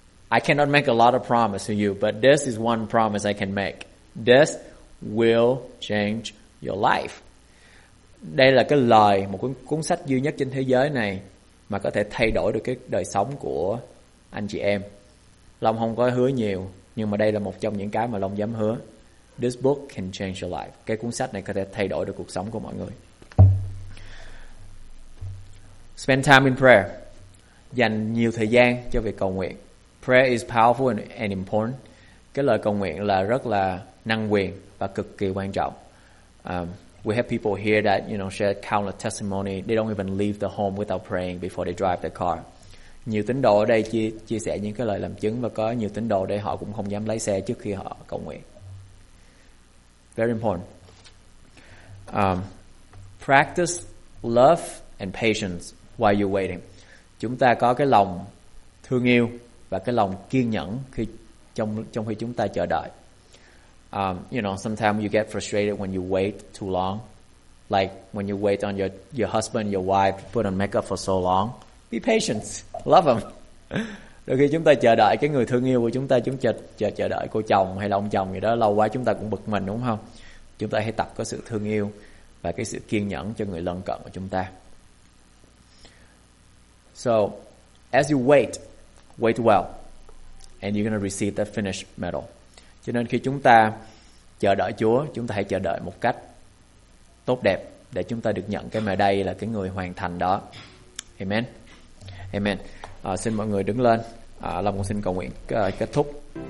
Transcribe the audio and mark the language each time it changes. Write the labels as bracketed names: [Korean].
[English] I cannot make a lot of promise to you, but this is one promise I can make. This will change your life. [Vietnamese] Đây là cái lời, một cuốn sách duy nhất trên thế giới này mà có thể thay đổi được cái đời sống của anh chị em. Long không có hứa nhiều, nhưng mà đây là một trong những cái mà Long dám hứa. [English] This book can change your life. [Vietnamese] Cái cuốn sách này có thể thay đổi được cuộc sống của mọi người. [English] Spend time in prayer. [Vietnamese] Dành nhiều thời gian cho việc cầu nguyện. [English] Prayer is powerful and important. [Vietnamese] Cái lời cầu nguyện là rất là năng quyền và cực kỳ quan trọng. [English] We have people here that, you know, share countless testimony. They don't even leave the home without praying before they drive the car. [Vietnamese] Nhiều tín đồ ở đây chia sẻ những cái lời làm chứng, và có nhiều tín đồ đây họ cũng không dám lái xe trước khi họ cầu nguyện. [English] Very important. Practice love and patience while you're waiting. [Vietnamese] Chúng ta có cái lòng thương yêu và cái lòng kiên nhẫn khi trong khi chúng ta chờ đợi. [English] You know, sometimes you get frustrated when you wait too long. Like when you wait on your husband, your wife put on makeup for so long. Be patient. Love them. [Vietnamese] Đôi khi chúng ta chờ đợi cái người thương yêu của chúng ta, chúng ta chờ đợi cô chồng hay là ông chồng gì đó lâu quá, chúng ta cũng bực mình, đúng không? Chúng ta hãy tập có sự thương yêu và cái sự kiên nhẫn cho người lân cận của chúng ta. [English] So, as you wait, wait well, and you're going to receive that finished medal. [Vietnamese] Cho nên khi chúng ta chờ đợi Chúa, chúng ta hãy chờ đợi một cách tốt đẹp để chúng ta được nhận cái medal, là cái người hoàn thành đó. Amen. Amen. Xin mọi người đứng lên. Long cũng xin cầu nguyện kết thúc.